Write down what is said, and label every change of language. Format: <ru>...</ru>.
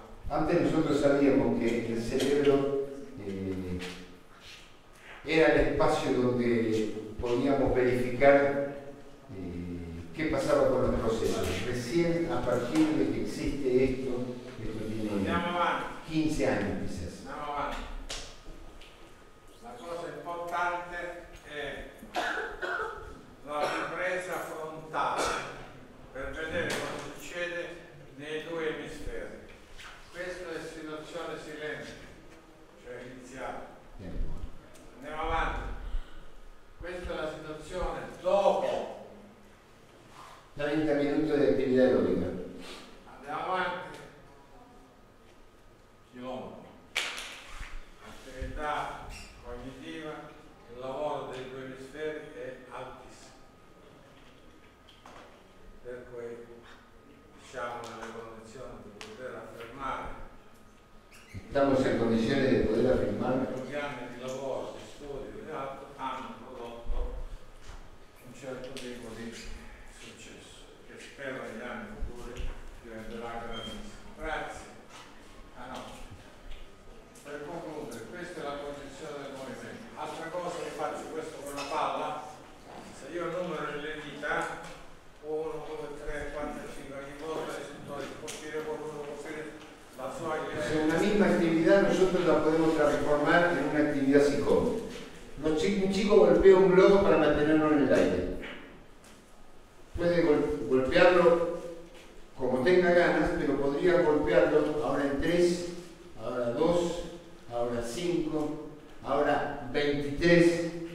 <es>Antes nosotros sabíamos que el cerebro era el espacio donde podíamos verificar qué pasaba con los procesos. Recién, a partir de que existe esto, esto tiene 15 años quizás.</es> <it>Andiamo avanti. La cosa importante è la ripresa frontale per vedere cosa succede nei due emisferi. Questa è situazione silente, cioè iniziale. Andiamo avanti. Questa è la situazione dopo 30 minuti di attività aerobica. Andiamo avanti. Chilometro. Attività cognitiva, il lavoro dei due emisferi è altissimo. Per cui siamo nelle condizioni di poter affermare.</it> <es>Estamos en condiciones de poder afirmar que los programas de trabajo, de estudio y de alto han producido un cierto tipo de suceso que espero en los años futuros que venderá grandísimo. Gracias. Ah, no.</es> <it>Per concludere, questa è la posizione del movimento. Altra cosa che faccio, questo con la palla, se io numero le dita, 1, 2, 3, 4, 5, ogni volta il settore può dire qualcuno, può dire la sua idea.</it> <es>Se una misma actividad nosotros la podemos transformar en una actividad psicológica. Un chico golpea un globo para mantenerlo en el aire. Puede golpearlo como tenga ganas, pero podría golpearlo ahora en 3, ahora 2, ahora 5, ahora 23.</es>